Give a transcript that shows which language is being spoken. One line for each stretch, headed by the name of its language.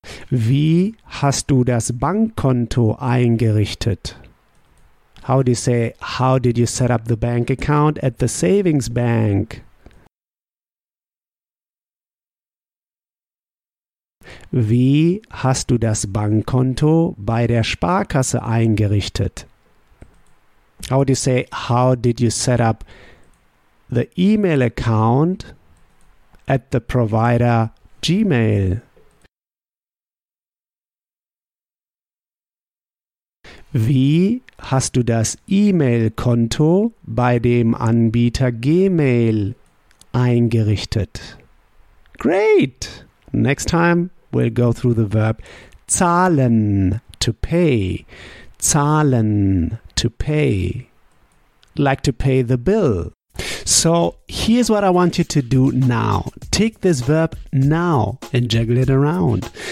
German: Wie hast du das Bankkonto eingerichtet?
English: How do you say, how did you set up the bank account at the savings bank?
German: Wie hast du das Bankkonto bei der Sparkasse eingerichtet?
English: How do you say, how did you set up the email account at the provider Gmail?
German: Wie hast du das E-Mail-Konto bei dem Anbieter Gmail eingerichtet?
English: Great! Next time we'll go through the verb zahlen, to pay.
German: Zahlen,
English: to pay. Like to pay the bill. So here's what I want you to do now. Take this verb now and juggle it around.